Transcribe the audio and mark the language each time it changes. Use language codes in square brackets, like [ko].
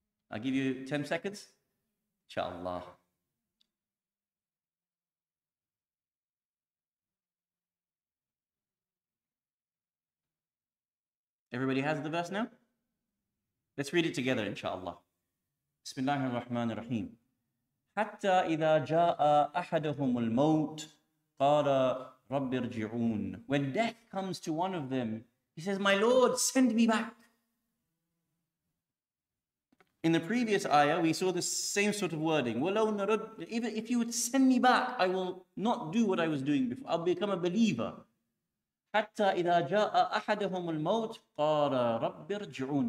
[en] I'll give you 10 seconds. Inshallah. Everybody has the verse now? Let's read it together, inshallah. [ar] بسم الله الرحمن الرحيم حتى إذا جاء أحدهم الموت قال رب ارجعون. [en] When death comes to one of them, he says, my Lord, send me back. In the previous ayah, we saw the same sort of wording. Even if you would send me back, I will not do what I was doing before. I'll become a believer. [ar] حتى إذا جاء أحدهم الموت قال رب ارجعون.